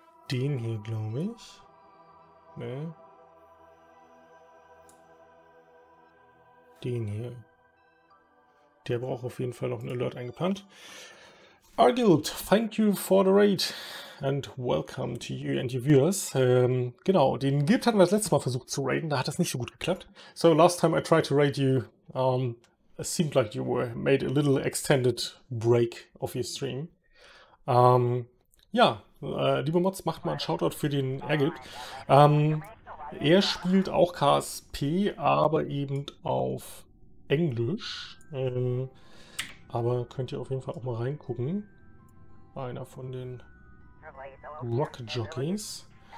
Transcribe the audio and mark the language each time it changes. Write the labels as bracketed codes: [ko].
[de] den hier, glaube ich. Ne? Den hier. Der braucht auf jeden Fall noch einen Alert eingepannt. [en] Our Guild, thank you for the raid and welcome to you and your viewers. [de] Genau, den Guild hatten wir das letzte Mal versucht zu raiden, da hat das nicht so gut geklappt. [en] So, last time I tried to raid you, it seemed like you were made a little extended break of your stream. [de] Ja, liebe Mods, macht mal einen Shoutout für den Ergilt. Er spielt auch KSP, aber eben auf Englisch. Aber könnt ihr auf jeden Fall auch mal reingucken. Einer von den Rocket Jockeys.